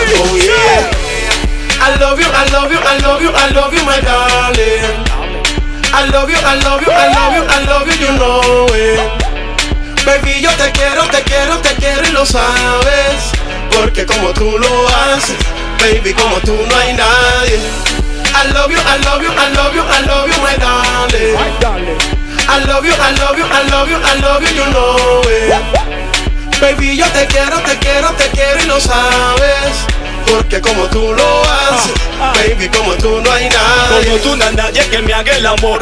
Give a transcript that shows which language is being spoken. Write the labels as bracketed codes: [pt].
[en] Oh yeah. I love you, I love you, I love you, I love you, my darling. I love you, I love you, I love you, I love you, you know it. [es] Baby, yo te quiero, te quiero, te quiero y lo sabes. Porque como tú lo haces, baby, como tú no hay nadie. [en] I love you, I love you, I love you, I love you, my darling. I love you, I love you, I love you, I love you, you know it. [es] Baby, yo te quiero, te quiero, te quiero y lo sabes. Porque como tú lo haces, baby, como tú no hay nadie. Como tú no hay nadie que me haga el amor.